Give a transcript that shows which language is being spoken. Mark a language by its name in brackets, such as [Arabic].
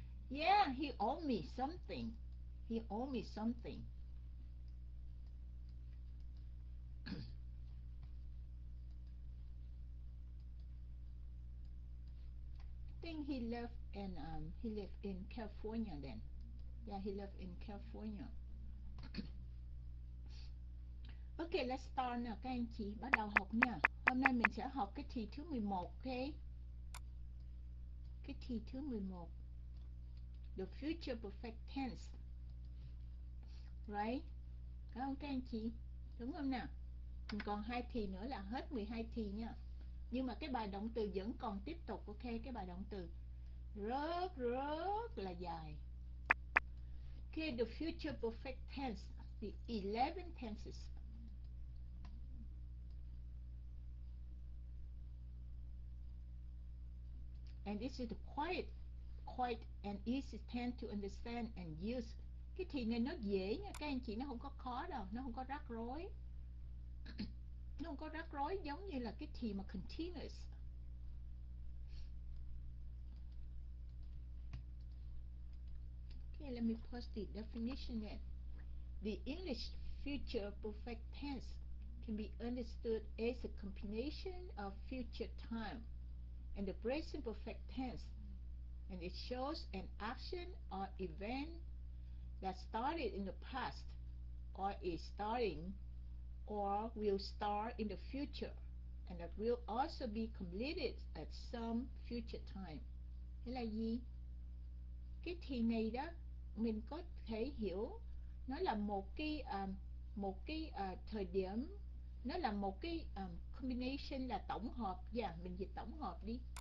[English] Yeah, he owe me something. He owe me something. Think he lived in he lived in California then. Yeah, he lived in California. Ok, let's start [Vietnamese] nào các anh chị, bắt đầu học nha. Hôm nay mình sẽ học cái thì thứ 11, ok? Cái thì thứ 11. [English] The future perfect tense. Right? [Vietnamese] Các ông các anh chị, đúng không nào? Mình còn hai thì nữa là hết 12 thì nha. Nhưng mà cái bài động từ vẫn còn tiếp tục, ok? Cái bài động từ rất rất là dài. [English] Ok, the future perfect tense, the 11 tenses. And this is quite an easy tense to understand and use [Vietnamese] Cái thiền này nó dễ nha các anh chị, nó không có khó đâu, nó không có rắc rối. Nó không có rắc rối giống như là cái thiền mà continuous. [English] Okay, let me post the definition there. The English future perfect tense can be understood as a combination of future time and the present perfect tense, and it shows an action or event that started in the past, or is starting, or will start in the future, and that will also be completed at some future time. [Vietnamese] Thế là gì? Cái thì này đó mình có thể hiểu nó là một cái thời điểm, nó là một cái combination, là tổng hợp. Dạ, mình dịch tổng hợp đi.